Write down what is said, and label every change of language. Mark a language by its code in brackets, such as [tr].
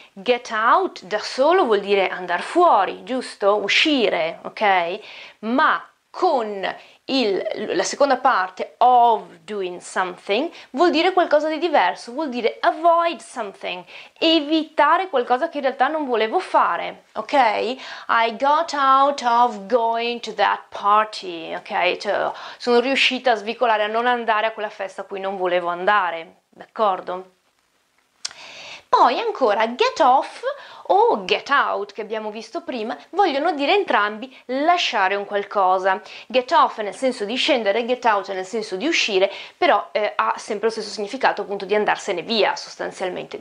[it] Get out da solo vuol dire andare fuori, giusto? Uscire, ok? Ma con la seconda parte, [en] of doing something, [it] vuol dire qualcosa di diverso, vuol dire [en] avoid something, [it] evitare qualcosa che in realtà non volevo fare, ok? [en] I got out of going to that party, ok? [it] Cioè, sono riuscita a svicolare, a non andare a quella festa a cui non volevo andare, d'accordo? Poi ancora, get off o get out, che abbiamo visto prima, vogliono dire entrambi lasciare un qualcosa. Get off nel senso di scendere, get out nel senso di uscire, però ha sempre lo stesso significato, appunto, di andarsene via, sostanzialmente.